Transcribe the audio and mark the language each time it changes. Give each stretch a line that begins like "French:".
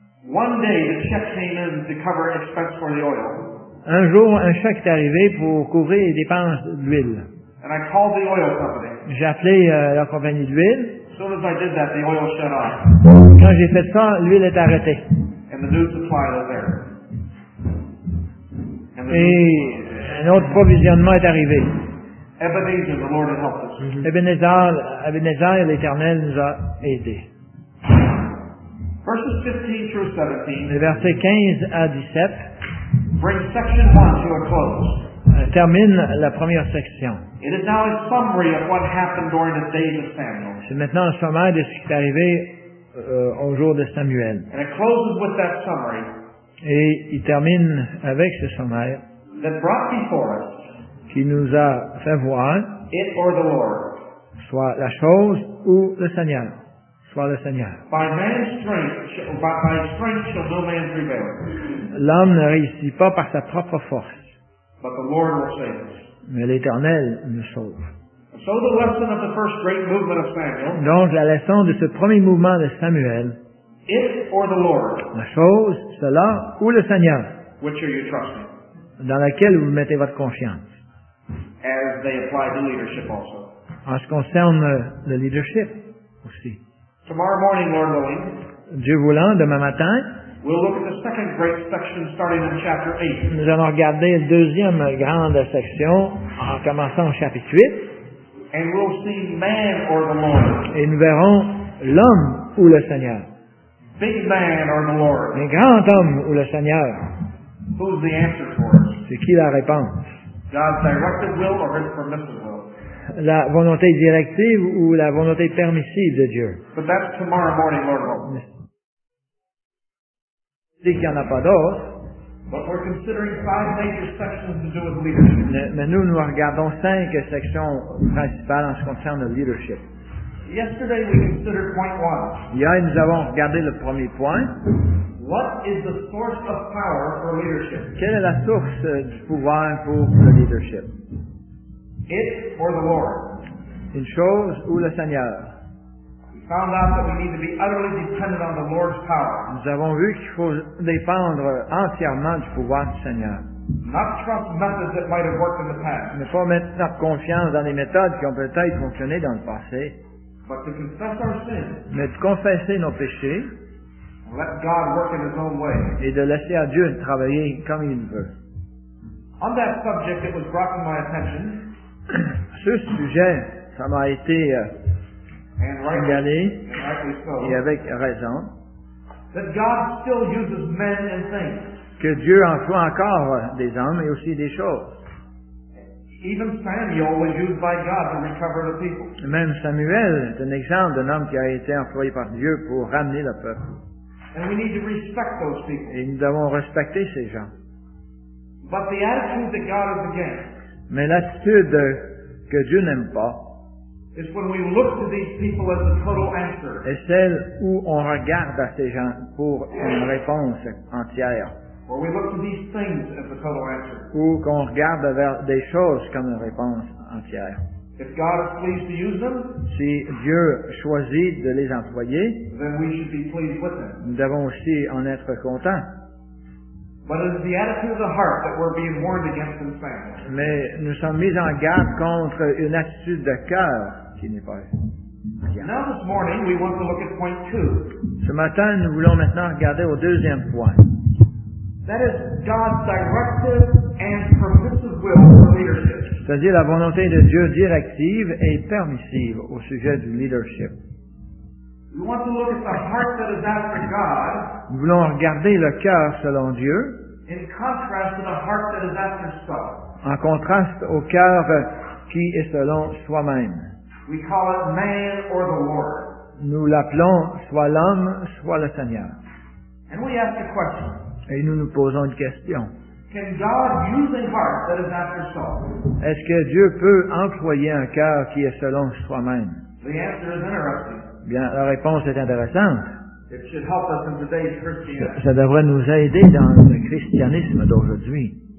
English: One day, the check came in to cover expense for the oil.
French: Un jour, un chèque est arrivé pour couvrir les dépenses d'huile.
English: And I called the oil company.
French: J'ai appelé la compagnie d'huile.
English: Soon as I did that, the oil shut off.
French: Quand j'ai fait ça, l'huile est arrêtée.
English: And the new supply was there.
French: Et un autre provisionnement est arrivé.
English: Ebenezer, the Lord has helped us.
French: Ebenezer, l'Éternel nous a aidés.
English: Verses 15 through 17.
French: Les versets 15 à 17.
English: Bring section 1 to a close.
French: Termine la première section.
English: It is now a summary of what happened during the days of Samuel.
French: C'est maintenant un sommaire de ce qui est arrivé au jour de Samuel.
English: And it closes with that summary.
French: Et il termine avec ce sommaire.
English: That brought before us.
French: Qui nous a fait voir.
English: It or the Lord.
French: Soit la chose ou le Seigneur. par le Seigneur.
English: By strength shall no man prevail.
French: L'homme ne réussit pas par sa propre force.
English: But the Lord will save us.
French: Mais l'Éternel nous sauve.
English: So the lesson of the first great movement of Samuel.
French: Donc la leçon de ce premier mouvement de Samuel.
English: It or the Lord.
French: La chose, cela ou le Seigneur.
English: Which are you trusting?
French: Dans laquelle vous mettez votre confiance.
English: As they apply the leadership also.
French: En ce qui concerne le leadership aussi.
English: Tomorrow morning, Lord willing.
French: Dieu voulant, demain matin.
English: We'll look at the second great section starting in chapter 8.
French: Nous allons regarder la deuxième grande section en commençant au chapitre 8.
English: And we'll see man or the Lord.
French: Et nous verrons l'homme ou le Seigneur.
English: Big man or the Lord.
French: Un grand homme ou le Seigneur.
English: Who's the answer for us?
French: C'est qui la réponse?
English: God's directed will or his permissive will?
French: La volonté directive ou la volonté permissive de Dieu?
English: But that's tomorrow morning, Lord willing.
French: Dit qu'il n'y en a pas d'autres.
English: But we're considering five major sections to do with leadership.
French: Mais nous regardons cinq sections principales en ce qui concerne le leadership.
English: Yesterday we considered point one.
French: Hier, nous avons regardé le premier point.
English: What is the source of power for leadership?
French: Quelle est la source du pouvoir pour le leadership?
English: It or the Lord.
French: Une chose ou le Seigneur.
English: Found out that we need to be utterly dependent on the Lord's power.
French: Nous avons vu qu'il faut dépendre entièrement du pouvoir du Seigneur.
English: Not trust methods that might have worked in the past.
French: Ne pas mettre notre confiance dans les méthodes qui ont peut-être fonctionné dans le passé.
English: But to confess our sins.
French: Mais de confesser nos péchés.
English: Let God work in His own way.
French: Et de laisser à Dieu travailler comme il veut.
English: On that subject, it was brought to my attention.
French: Ce sujet, ça m'a été regardez, et avec raison,
English: that God still uses men and things.
French: Que Dieu emploie encore des hommes et aussi des choses.
English: Even Samuel was used by God to recover the people.
French: Même Samuel est un exemple d'un homme qui a été employé par Dieu pour ramener le peuple.
English: And we need to respect those people.
French: Et nous devons respecter ces gens.
English: But the attitude that God is against,
French: mais l'attitude que Dieu n'aime pas,
English: is when we look to these people as the total answer.
French: Et celle où on regarde à ces gens pour une réponse entière.
English: Or we look to these things as the total answer.
French: Ou qu'on regarde vers des choses comme une réponse entière.
English: If God is pleased to use them,
French: si Dieu choisit de les employer,
English: then we should be pleased with them.
French: Nous devons aussi en être contents.
English: But it is the attitude of the heart that we're being warned against in Samuel.
French: Mais nous sommes mis en garde contre une attitude de cœur qui n'est pas bien.
English: Now this morning we want to look at point two.
French: Ce matin, nous voulons maintenant regarder au deuxième point.
English: That is God's directive and permissive will for leadership.
French: C'est-à-dire la volonté de Dieu directive et permissive au sujet du leadership.
English: We want to look at the heart that is after God.
French: Nous voulons regarder le cœur selon Dieu.
English: In contrast to the heart that is after self.
French: En contraste au cœur qui est selon soi-même.
English: We call it man or the Lord.
French: Nous l'appelons soit l'homme, soit le Seigneur.
English: And we ask a question.
French: Et nous nous posons une question.
English: Can God use a heart that is after self?
French: Est-ce que Dieu peut employer un cœur qui est selon soi-même?
English: The answer is interesting.
French: Bien, la réponse est intéressante.
English: It should help us in today's Christianity.
French: Ça devrait nous aider dans le christianisme d'aujourd'hui.